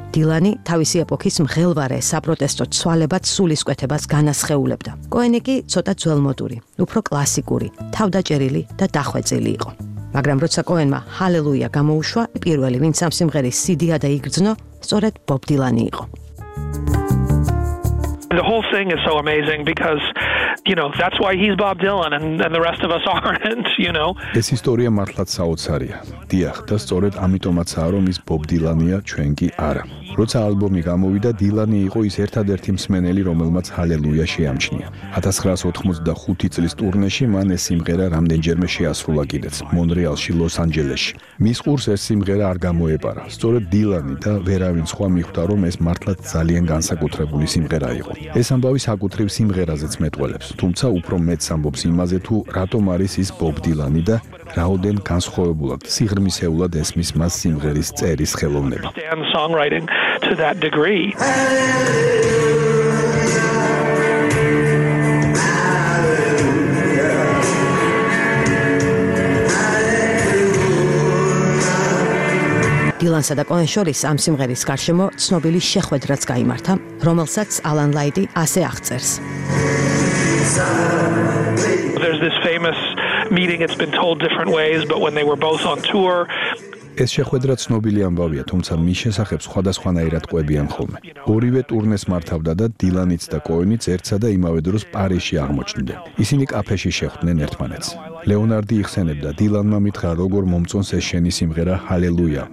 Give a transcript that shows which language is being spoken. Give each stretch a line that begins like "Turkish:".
Georgian: დილანი თავისი ეპოქის მღელვარე საპროტესტო ცვალებად სულისკვეთებას განასხეულებდა. კოენი კი ცოტა ძველმოდური, უფრო კლასიკური, თავდაჭერილი და დახვეწილი იყო. მაგრამ როცა კოენმა ჰალელუია გამოუშვა, პირველი ვინც ამ სიმღერის სიდია და იგრძნო, სწორედ ბობ დილანი იყო.
English: The whole thing is so amazing because you know that's why he's Bob Dylan and the rest of us aren't, you know.
Georgian: ეს ისტორია მართლაც საოცარია. დიახ, და სწორედ ამიტომაცაა რომ ის ბობ დილანია, ჩვენ კი არა. როცა ალბომი გამოვიდა, დილანი იყო ის ერთადერთი მსმენელი, რომელმაც ჰალელუია შეამჩნია. 1985 წლის ტურნეში მან ეს სიმღერა რამდენჯერმე შეასრულა კიდეც მონრეალში, ლოს-ანჯელესში. მის ყურს ეს სიმღერა არ გამოეპარა. სწორედ დილანი და ვერავინ სხვა მიხვდა, რომ ეს მართლაც ძალიან განსაკუთრებული სიმღერა იყო. ეს ამბავი საკუთრივ სიმღერაზეც მეტყველებს, თუმცა უფრო მეტს ამბობს იმაზე, თუ რატომ არის ის ბობ დილანი და რაოდენ განსხვავებულად სიღრმისეულად ესმის მას სიმღერის წერის ხელოვნება.
English: To that degree.
Georgian: დილანსა და კოენ შორის ამ სიმღერის გარშემო ცნობილი შეხვედრაც გამართა, რომელსაც ალან ლაიტი ასე აღწერს.
English: There's this famous meeting, it's been told different ways, but when they were both on tour,
Georgian: ეს შეხვედრა ცნობილი ამბავია, თუმცა მის შესახებ სხვადასხვანაირად ყვებიან ხოლმე. ორივე ტურნეს მართავდა და დილანიც და კოენიც ერთსა და იმავე დროს პარიზში აღმოჩნდნენ. ისინი კაფეში შეხვდნენ ერთმანეთს. ლეონარდი იხსენებდა, დილანმა მითხრა, როგორ მომწონს ეს შენი სიმღერა ჰალელუია.